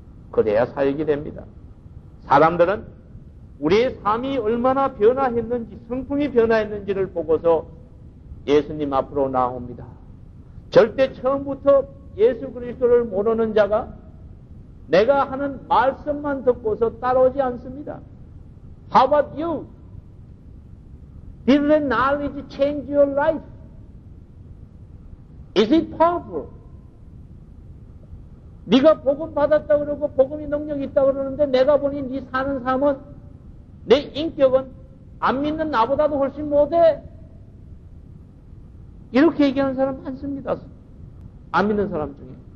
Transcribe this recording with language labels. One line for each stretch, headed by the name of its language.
Korean: 그래야 사역이 됩니다. 사람들은 우리의 삶이 얼마나 변화했는지, 성품이 변화했는지를 보고서 예수님 앞으로 나옵니다. 절대 처음부터 예수 그리스도를 모르는 자가 내가 하는 말씀만 듣고서 따라오지 않습니다.
English: How about you? Did the knowledge change your life? Is it powerful?
Korean: 네가 복음 받았다 그러고 복음이 능력이 있다 그러는데 내가 보니 네 사는 삶은 내 인격은 안 믿는 나보다도 훨씬 못해. 이렇게 얘기하는 사람 많습니다. 안 믿는 사람 중에.